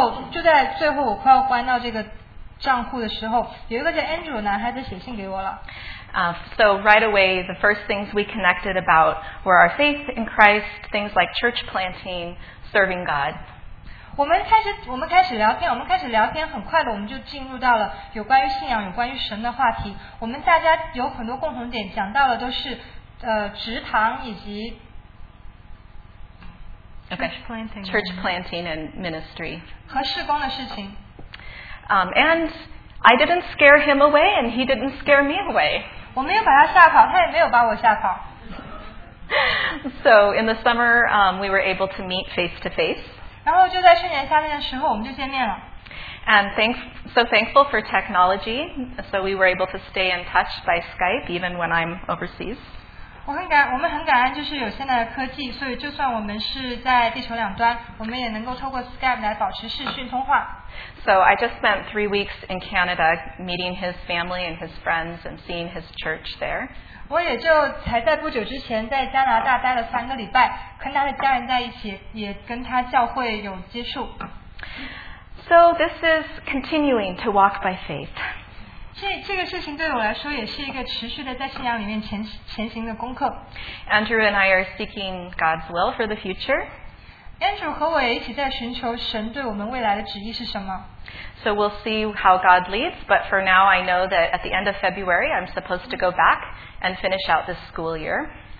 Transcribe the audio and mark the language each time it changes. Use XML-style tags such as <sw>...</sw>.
<zh>就在最后我快要关到这个账户的时候，有一个叫 Andrew 男孩子写信给我了。</zh> <en>So right away, the first things we connected about were our faith in Christ, things like church planting, serving God.</en> <zh>我们开始聊天，很快的我们就进入到了有关于信仰、有关于神的话题。我们大家有很多共同点，讲到了都是职堂以及</zh> <en>church planting and ministry.</en> <zh>和事工的事情。</zh> <en>And I didn't scare him away, and he didn't scare me away.</en> <zh>我没有把他吓跑，他也没有把我吓跑。</zh> <en>So in the summer, we were able to meet face to face.</en> <zh>然后就在去年夏天的时候，我们就见面了。</zh> <en>And thankful for technology, so we were able to stay in touch by Skype even when I'm overseas.</en> <zh>我们很感恩就是有现在的科技, 所以就算我们是在地球两端, 我们也能够透过Skype来保持视讯通话。</zh> <en>So I just spent 3 weeks in Canada meeting his family and his friends and seeing his church there.</en> <zh>我也就才在不久之前在加拿大待了三个礼拜, 跟他的家人在一起, 也跟他教会有接触。</zh> <en>So this is continuing to walk by faith.</en> <zh>这个事情对我来说也是一个持续的在信仰里面前行的功课。</zh> <en>Andrew and I are seeking God's will for the future.</en> <zh>Andrew 和我也一起在寻求神对我们未来的旨意是什么。</zh> <en>So we'll see how God leads, but for now I know that at the end of February I'm supposed to go back and finish out this school year.</en>